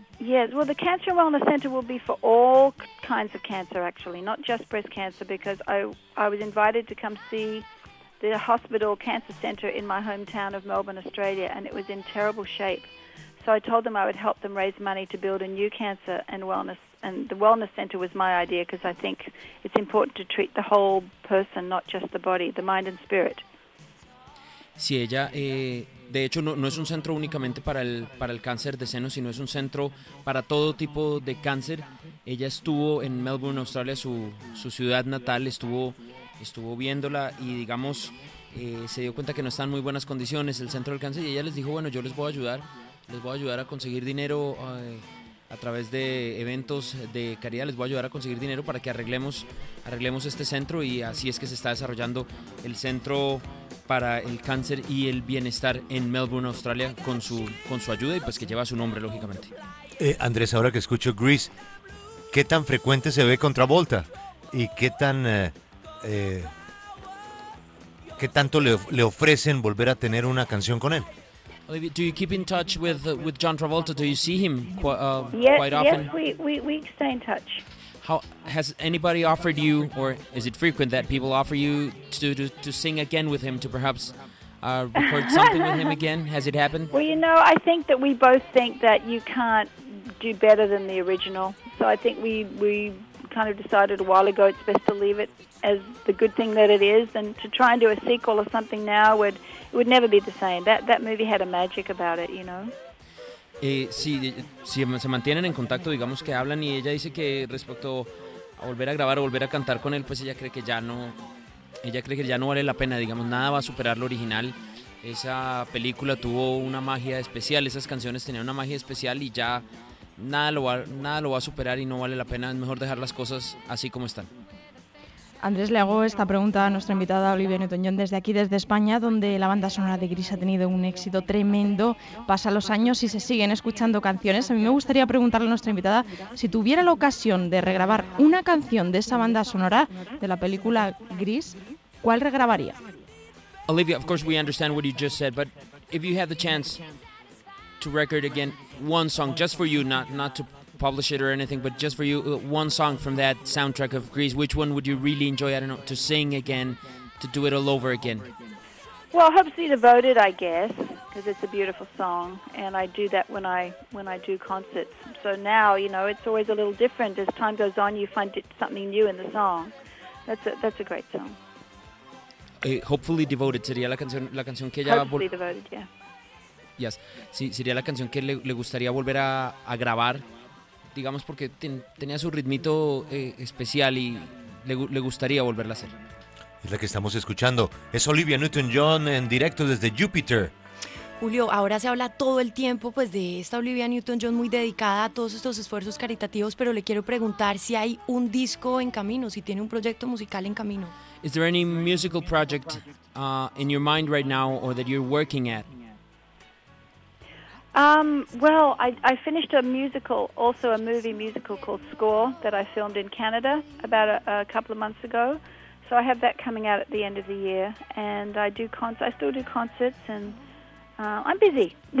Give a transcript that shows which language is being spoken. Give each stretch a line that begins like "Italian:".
English: Yes, well, the Cancer Wellness Center will be for all kinds of cancer, actually, not just breast cancer, because I was invited to come see the hospital cancer center in my hometown of Melbourne, Australia, and it was in terrible shape. So I told them I would help them raise money to build a new cancer and wellness. And the wellness center was my idea because I think it's important to treat the whole person, not just the body, the mind and spirit.
Spanish: Sí, ella, de hecho, no es un centro únicamente para el cáncer de seno, sino es un centro para todo tipo de cáncer. Ella estuvo en Melbourne, Australia, su ciudad natal, estuvo estuvo viéndola y digamos se dio cuenta que no está en muy buenas condiciones el centro del cáncer, y ella les dijo, bueno, yo les voy a ayudar, les voy a ayudar a conseguir dinero a través de eventos de caridad, les voy a ayudar a conseguir dinero para que arreglemos este centro. Y así es que se está desarrollando el Centro para el Cáncer y el Bienestar en Melbourne, Australia, con su ayuda, y pues que lleva su nombre, lógicamente. Andrés, ahora que escucho Grease, ¿qué tan frecuente se ve con Travolta? ¿Y qué tan qué tanto le ofrecen volver a tener una canción con él?
English: Olivia, do you keep in touch with John Travolta? Do you see him quite often? Yes, we stay in touch. How has anybody offered you, or is it frequent that people offer you to sing again with him, to perhaps record something with him again? Has it happened? Well, you know, I think that we both think that you can't do better than the original. So I think we kind of decided a while ago it's best to leave it as the good thing that it is, and to try and do a sequel or something now would never be the same. That movie had a magic about it, you know.
Spanish: Si se mantienen en contacto, digamos que hablan, y ella dice que respecto a volver a grabar o volver a cantar con él, pues ella cree que ya no vale la pena, digamos, nada va a superar lo original. Esa película tuvo una magia especial, esas canciones tenían una magia especial, y ya nada lo va a superar, y no vale la pena, es mejor dejar las cosas así como están. Andrés, le hago esta pregunta a nuestra invitada Olivia Newton-John desde aquí, desde España, donde la banda sonora de Grease ha tenido un éxito tremendo. Pasan los años y se siguen escuchando canciones. A mí me gustaría preguntarle a nuestra invitada, si tuviera la ocasión de regrabar una canción de esa banda sonora de la película Grease, ¿cuál regrabaría?
English: Olivia, of course we understand what you just said, but if you had the chance to record again one song just for you, not to publish it or anything, but just for you, one song from that soundtrack of Grease, which one would you really enjoy, I don't know, to sing again, to do it all over again? Well, Hopsy Devoted, I guess, because it's a beautiful song, and I do that when I do concerts. So now, you know, it's always a little different. As time goes on, you find something new in the song. That's a great song.
Spanish: Hopefully Devoted sería la canción que ella...
English: Hopefully Devoted, yeah.
Spanish: Yes, sí, sería la canción que le gustaría volver a grabar, digamos, porque tenía su ritmito especial y le gustaría volverla a hacer. Es la que estamos escuchando. Es Olivia Newton-John en directo desde Júpiter. Julio, ahora se habla todo el tiempo pues de esta Olivia Newton-John, muy dedicada a todos estos esfuerzos caritativos, pero le quiero preguntar si hay un disco en camino, si tiene un proyecto musical en camino.
English: Is there any musical project in your mind right now or that you're working at? Well, I finished a musical, also a movie musical called Score, that I filmed in Canada about a couple of months ago. So I have that coming out at the end of the year, and I still do concerts, and I'm busy.